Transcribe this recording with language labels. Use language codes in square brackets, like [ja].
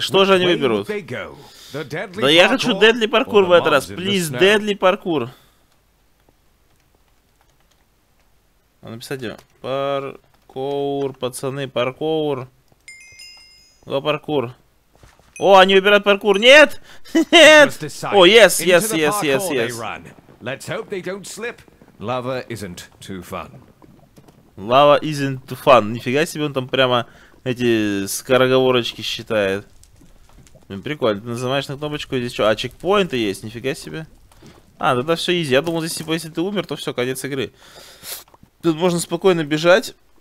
[ru] Что же они выберут? Да я хочу Deadly Parkour в этот раз. Плиз, Deadly Parkour. Написать ее. Паркоур, пацаны, паркоур. Го, паркур. О, они выбирают паркур. Нет! Нет! [en] О, yes, yes, yes, yes, yes. Let's hope they don't slip. Lava isn't too fun. Lava isn't too fun. [ru] Нифига себе, он там прямо эти скороговорочки считает. Блин, прикольно. Ты нажимаешь на кнопочку, здесь что? А, чекпоинты есть, нифига себе. А, тогда все изи. Я думал, здесь типа, если ты умер, то все, конец игры. Тут можно спокойно бежать.